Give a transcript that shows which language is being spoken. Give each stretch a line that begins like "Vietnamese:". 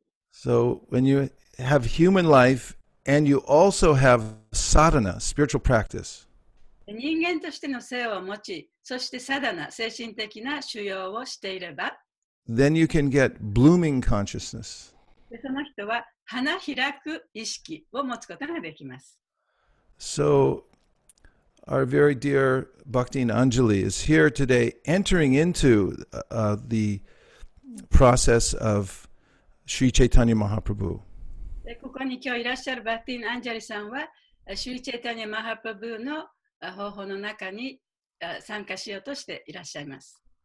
English: So when you have human life and you also have sadhana, spiritual practice.
Japanese: 人間としての性を持ち、そしてサダナ、精神的な修行をしていれば、
English: Then you can get blooming consciousness.
Japanese: その人は花開く意識を持つことができます。
English: So, our very dear Bhakti Anjali is here today entering into the process of Sri Chaitanya Mahaprabhu.
Japanese: で、ここに今日いらっしゃる Bhakti Anjali さんは、Sri Chaitanya Mahaprabhu の方法の中に参加しようとしていらっしゃいます。